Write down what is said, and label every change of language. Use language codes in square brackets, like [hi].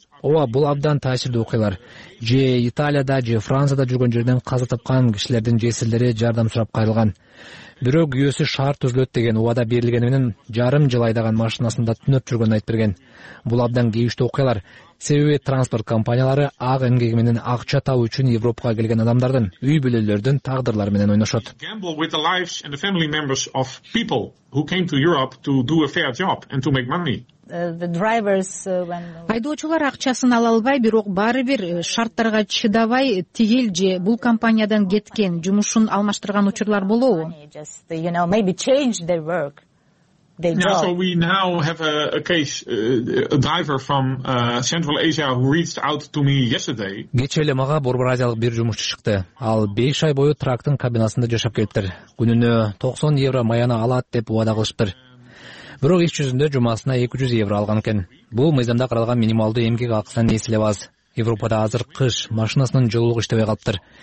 [ky] Ооба, бул абдан таасирдүү окуялар. Же Италияда, же Францияда жүргөн жерден каза тапкан кишилердин жесирлери жардам сурап кайрылган. Бирок күйөөсү шаар түзүлөт деген убада берилгени менен жарым жыл айдаган машинасында түнөп жүргөнүн айтып берген. Бул абдан кейиштүү окуялар. Себеби транспорт компаниялары ак эмгеги менен акча табуу үчүн Европага келген адамдардын, үй бүлөлөрдүн тагдырлары менен ойношот. [en] Gamble with the lives and the family members of people who came to Europe to do a fair job and to make money. [ky] Айдоочулар акчасын ала албай, бирок баары бир шарттарга чыдабай тигил же бул компаниядан кеткен, жумушун алмаштырган учурлар болобу? [en] Yeah, so we now have a case, a driver from Central Asia who reached out to me yesterday. [ky] Кечээ эле мага Борбор Азиялык бир жумушчу чыкты. Ал 5 ай бою трактын кабинасында жашап келиптир. Күнүнө 90 евро маяна алат деп убада кылыптыр. Бирок иш жүзүндө жумасына 200 евро алган экен. Бул мыйзамда каралган минималдуу эмгек акысынан эс эле аз. Европада азыр кыш, машинасынын жылуулугу иштебей калыптыр.